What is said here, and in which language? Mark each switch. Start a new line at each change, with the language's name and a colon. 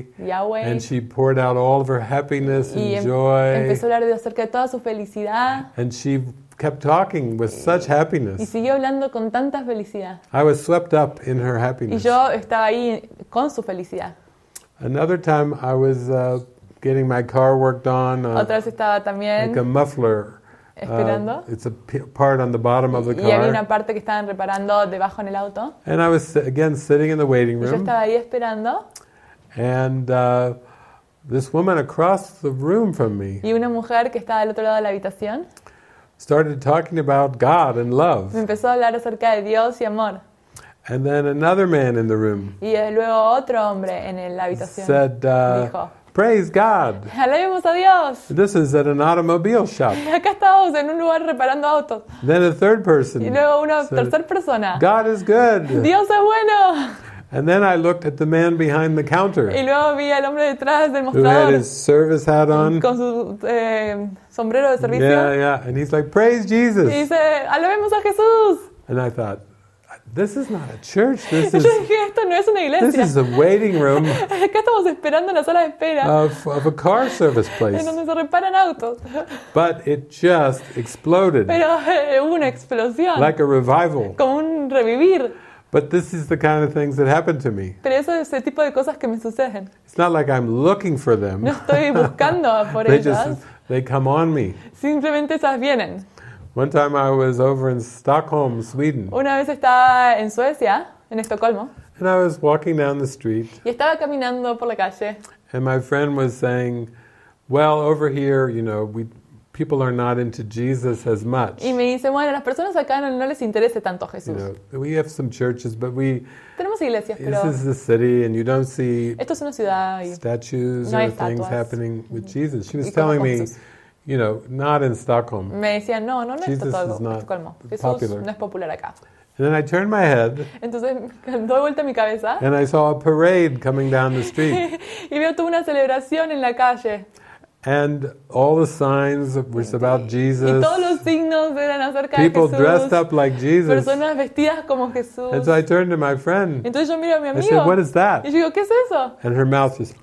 English: Yahweh. And she poured out all of her happiness
Spanish: y
English: and joy.
Spanish: Empezó a hablar de acerca de toda su felicidad.
English: And she kept talking with such happiness.
Spanish: Y siguió hablando con tanta felicidad.
English: I was swept up in her happiness.
Spanish: Y yo estaba ahí con su felicidad.
English: Another time I was getting my car worked on.
Spanish: Otra vez estaba también.
English: Like a muffler. It's a part on the bottom of the car.
Spanish: Y había una parte que estaban reparando debajo en el auto.
English: And I was again sitting in the waiting room.
Spanish: Y yo estaba ahí esperando.
English: And this woman across the room from me.
Spanish: Y una mujer que estaba al otro lado de la habitación.
English: Started talking about God and love.
Spanish: Me empezó a hablar acerca de Dios y amor.
English: And then another man in the room.
Spanish: Y luego otro hombre en la habitación.
English: Said,
Spanish: dijo.
English: Praise God.
Spanish: Alabemos a Dios.
English: This is at an automobile shop.
Spanish: Acá estamos en un lugar reparando autos.
English: Then a third person.
Spanish: Y luego una tercera persona.
English: God is good.
Spanish: Dios es bueno.
English: And then I looked at the man behind the counter.
Spanish: Y luego vi al hombre detrás del mostrador.
English: Who had his service hat on.
Spanish: Con su sombrero de servicio.
English: Yeah. And he's like, praise Jesus.
Spanish: Y dice, alabemos a Jesús.
English: And I thought, this is not a church. This is.
Spanish: Yo dije, esto no es una iglesia.
English: This is a waiting room.
Spanish: Acá estamos esperando en la sala de espera.
English: Of a car service place.
Spanish: En donde se reparan autos.
English: But it just exploded.
Spanish: Pero una explosión.
English: Like a revival.
Spanish: Como un revivir.
English: But this is the kind of things that happen to me.
Spanish: Pero eso es el tipo de cosas que me suceden.
English: It's not like I'm looking for them.
Spanish: No estoy buscando por
English: they
Spanish: ellas.
English: They come on me.
Spanish: Simplemente esas vienen.
English: One time I was over in Stockholm, Sweden.
Spanish: Una vez estaba en Suecia, en Estocolmo.
English: And I was walking down the street.
Spanish: Y estaba caminando por la calle.
English: And my friend was saying, well, over here, you know, people are not into Jesus as much.
Spanish: Y me dice, bueno, las personas acá no les interesa tanto Jesús.
English: You know, we have some churches, but we...
Spanish: Tenemos iglesias,
English: this
Spanish: pero...
English: This is a city and you don't see...
Spanish: Esto es una ciudad y...
English: Statues
Spanish: no
English: or
Spanish: hay estatuas.
English: Things happening with Jesus. She was telling me...
Spanish: Jesús.
English: You know, not in Stockholm.
Spanish: Me decían, no,
English: Jesus
Spanish: todo,
English: is not
Spanish: popular. No es popular acá.
English: And then I turned my head.
Spanish: Entonces, doy vuelta mi cabeza.
English: And I saw a parade coming down the street.
Spanish: Y veo toda una celebración en la calle.
English: And all the signs were about Jesus.
Spanish: Y todos los signos eran acerca
English: people
Spanish: de Jesús.
English: People dressed up like Jesus.
Spanish: Personas vestidas como Jesús.
English: And so I turned to my friend.
Spanish: Entonces yo miro a mi amigo.
English: I said, what is that?
Spanish: Y yo digo, ¿qué es eso?
English: And her mouth was...